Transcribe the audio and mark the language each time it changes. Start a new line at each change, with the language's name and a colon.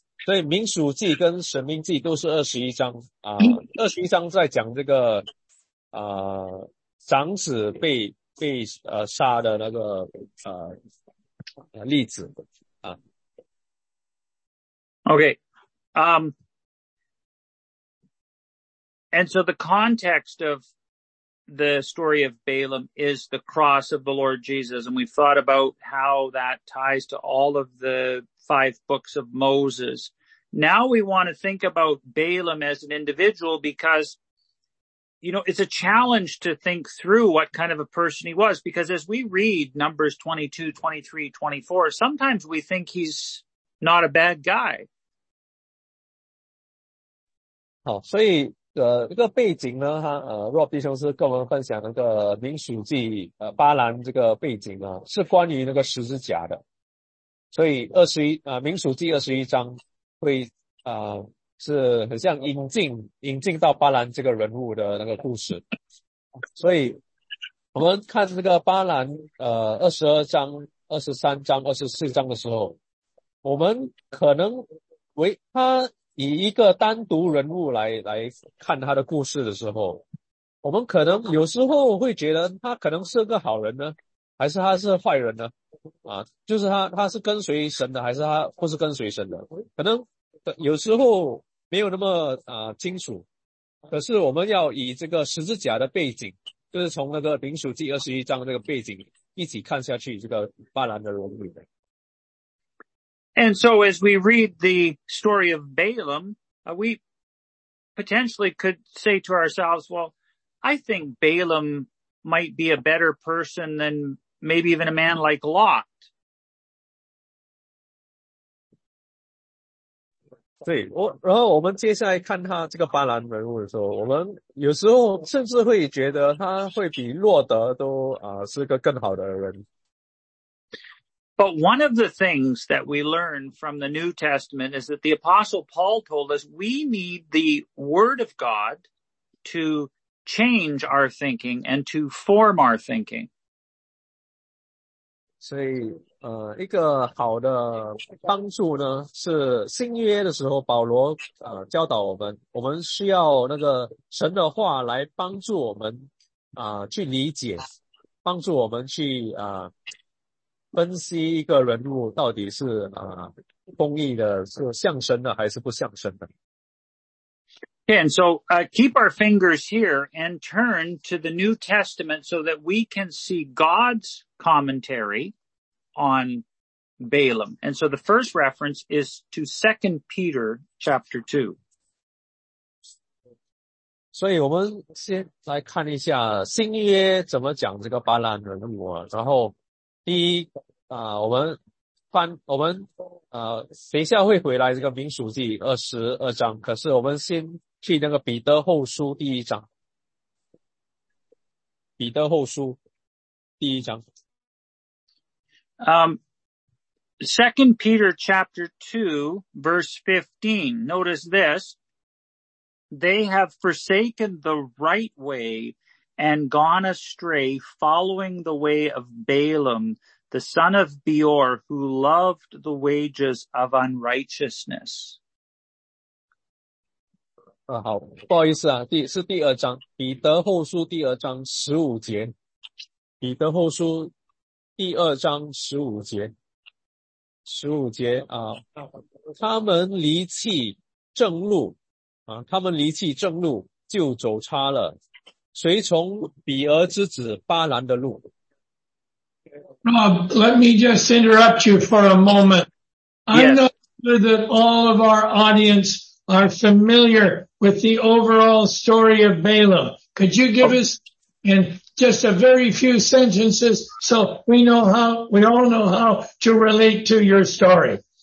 Chinese: 所以民数记跟神命记都是21章啊、21章在讲这个长子被杀的那个例子啊。
English: Okay. And so the context of the story of Balaam is the cross of the Lord Jesus. And we've thought about how that ties to all of the five books of Moses. Now we want to think about Balaam as an individual because, you know, it's a challenge to think through what kind of a person he was. Because as we read Numbers 22, 23, 24, sometimes we think he's not a bad guy.
Chinese: 好，所以这个背景呢，哈，Rob 弟兄是跟我们分享那个民数记巴兰这个背景呢，是关于那个十字架的。所以民数记21章会是很像引进到巴兰这个人物的那个故事。所以我们看这个巴兰22章、23章、24章的时候，我们可能为他以一个单独人物来看他的故事的时候，我们可能有时候会觉得他可能是个好人呢，还是他是坏人呢？啊，就是他是跟随神的，还是他不是跟随神的？可能有时候没有那么清楚。可是我们要以这个十字架的背景，就是从那个民数记21章那个背景一起看下去这个巴兰的人物。
English: And so as we read the story of Balaam, we potentially could say to ourselves, well, I think Balaam might be a better person than maybe even a man like Lot.
Chinese: 对，然后我们接下来看他这个巴兰人物的时候，我们有时候甚至会觉得他会比洛德都是个更好的人。
English: But one of the things that we learn from the New Testament is that the Apostle Paul told us we need the Word of God to change our thinking and to form our thinking.
Chinese: 所以一个好的帮助呢，是新约的时候保罗教导我们需要那个神的话来帮助我们去理解，帮助我们去分析一个人物到底是公义的，是像神的还是不像神的。
English: Okay, and so keep our fingers here and turn to the New Testament so that we can see God's commentary on Balaam. And so the first reference is to 2 Peter chapter 2.
Chinese: 所以我们先来看一下新约怎么讲这个巴兰人物啊，然后第一等一下会回来这个民数记22章，可是我们先去那个彼得后书第一章。彼得后书第一章。
English: 2 Peter chapter 2 verse 15. Notice this. They have forsaken the right way and gone astray following the way of Balaam, the son of Beor, who loved the wages of unrighteousness.
Chinese: 好，不好意思啊，是第二章，彼得后书第二章十五节。彼得后书第二章十五节。十五节啊，他们离弃正路啊，他们离弃正路就走差了，随从比俄之子巴兰的路。
English: Let me just interrupt you for a moment. I'm not sure that all of our audience are familiar with the overall story of Balaam. Could you give us in just a very few sentences so we all know how to relate to your story?